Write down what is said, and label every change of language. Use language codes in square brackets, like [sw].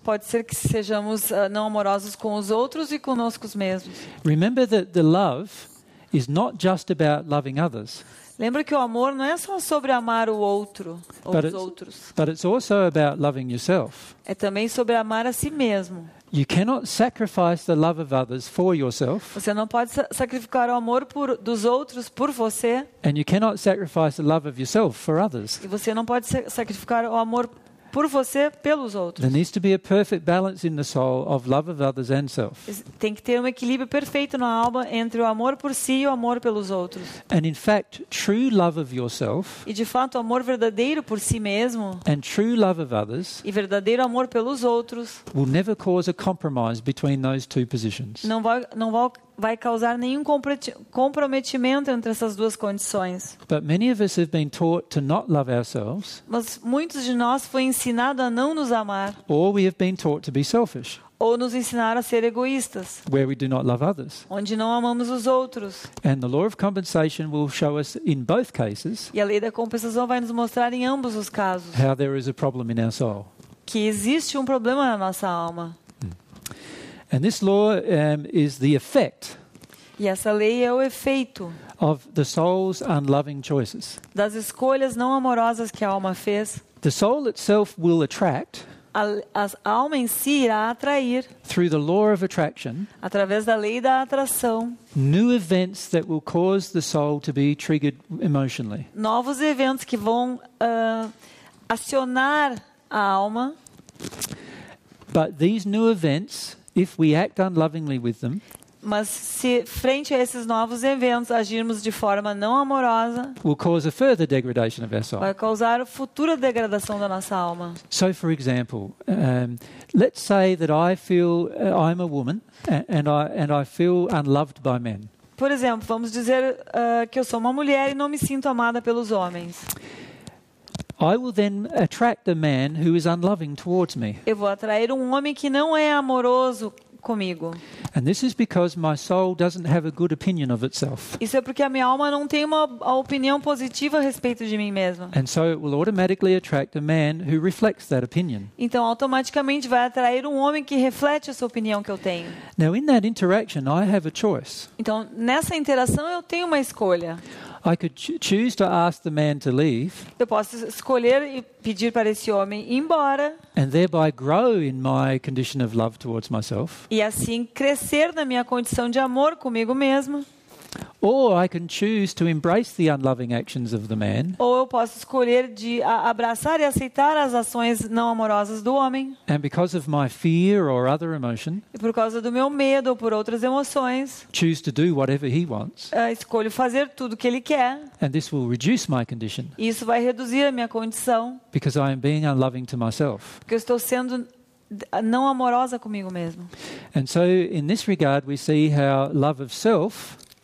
[pt] Pode ser que sejamos não amorosos com os outros e conosco mesmos. [en] Remember that the love is not just about loving others. [pt] Lembra que o amor não é só sobre amar o outro ou os outros. [en] But it's also about loving yourself. [pt] É também sobre amar a si mesmo. [en] You cannot sacrifice the love of others for yourself. [pt] Você não pode sacrificar o amor dos outros por você. [en] And you cannot sacrifice the love of yourself for others. [pt] E você não pode sacrificar o amor por você, pelos outros. [en] There needs to be a perfect balance in the soul of love of others and self. [pt] Tem que ter um equilíbrio perfeito na alma entre o amor por si e o amor pelos outros. [en] And in fact, true love of yourself. [pt] E de fato, amor verdadeiro por si mesmo. [en] And true love of others. [pt] E verdadeiro amor pelos outros. [en] Will never cause a compromise between those two positions. [pt] Não vai causar nenhum comprometimento entre essas duas condições. [en] But many of us have been taught to not love ourselves. [pt] Mas muitos de nós foi ensinado a não nos amar. [en] Or we have been taught to be selfish. [pt] Ou nos ensinaram a ser egoístas. [en] Where we do not love others. [pt] Onde não amamos os outros. [en] And the law of compensation will show us in both cases. [pt] E a lei da compensação vai nos mostrar em ambos os casos. [en] How there is a problem in our soul. [pt] Que existe um problema na nossa alma. [en] And this law is the effect. [pt] E essa lei é o efeito. [en] Of the soul's unloving choices. [pt] Das escolhas não amorosas que a alma fez. [en] The soul itself will attract. [pt] A alma em si irá atrair. [en] Through the law of attraction. [pt] Através da lei da atração. [en] New events that will cause the soul to be triggered emotionally. [pt] Novos eventos que vão acionar a alma. [en] But these new events, if we act unlovingly with them, [pt] mas se frente a esses novos eventos agirmos de forma não amorosa, [en] will cause a further degradation of our soul. [pt] Vai causar a futura degradação da nossa alma. [en] So, for example, let's say that I feel I'm a woman and I feel unloved by men. [pt] Por exemplo, vamos dizer que eu sou uma mulher e não me sinto amada pelos homens. [en] I will then attract a man who is unloving towards me. [pt] Eu vou atrair um homem que não é amoroso comigo. [en] And this is because my soul doesn't have a good opinion of itself. [pt] Isso é porque a minha alma não tem uma opinião positiva a respeito de mim mesma. [en] And so it will automatically attract a man who reflects that opinion. [pt] Então automaticamente vai atrair um homem que reflete essa opinião que eu tenho. [en] Now in that interaction I have a choice. [pt] Então nessa interação eu tenho uma escolha. [en] I could choose to ask the man to leave. [pt] Eu posso escolher e pedir para esse homem ir embora. [en] And thereby grow in my condition of love towards myself. [pt] E assim crescer na minha condição de amor comigo mesma. [en] Or I can choose to embrace the unloving actions of the man. [pt] Ou eu posso escolher de abraçar e aceitar as ações não amorosas do homem. [en] And because of my fear or other emotion. [pt] E por causa do meu medo ou por outras emoções. [en] Choose to do whatever he wants. [pt] Escolho fazer tudo o que ele quer. [en] And this will reduce my condition. [pt] E isso vai reduzir a minha condição. [en] Because I am being unloving to myself. [pt] Porque eu estou sendo não amorosa comigo mesmo. [en] And so in this regard we see how love of self.